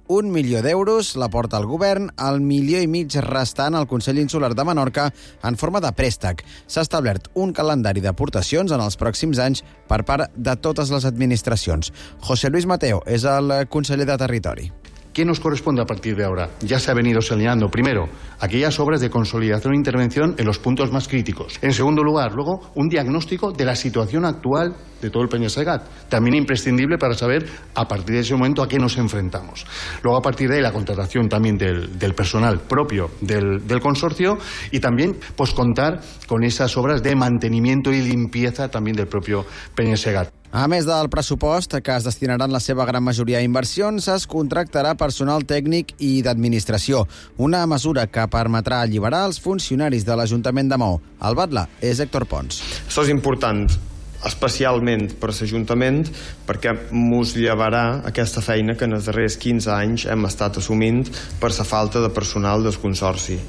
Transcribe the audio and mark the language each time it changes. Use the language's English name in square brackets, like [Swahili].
[Catalan] 1 milió d'euros la porta el govern, el 1,5 milió restant al Consell Insular de Menorca en forma de préstec. S'ha establert un calendari d'aportacions en els pròxims anys per part de totes les administracions. José Luis Mateo és el conseller de Territori. [Spanish] ¿Qué nos corresponde a partir de ahora? Ya se ha venido señalando, primero, aquellas obras de consolidación e intervención en los puntos más críticos. En segundo lugar, luego, un diagnóstico de la situación actual de todo el Peñasegat. También imprescindible para saber a partir de ese momento a qué nos enfrentamos. Luego, a partir de ahí, la contratación también del personal propio del consorcio y también pues, contar con esas obras de mantenimiento y limpieza también del propio Peñasegat. [Catalan] A més del pressupost, que es destinarà en la seva gran majoria a inversions, es contractarà personal tècnic i d'administració, una mesura que permetrà alliberar els funcionaris de l'Ajuntament de Maó. El batlle és Héctor Pons. Això és important, especialment per l'Ajuntament, perquè mos llevarà aquesta feina que en els darrers 15 anys hem estat assumint per la falta de personal del consorci.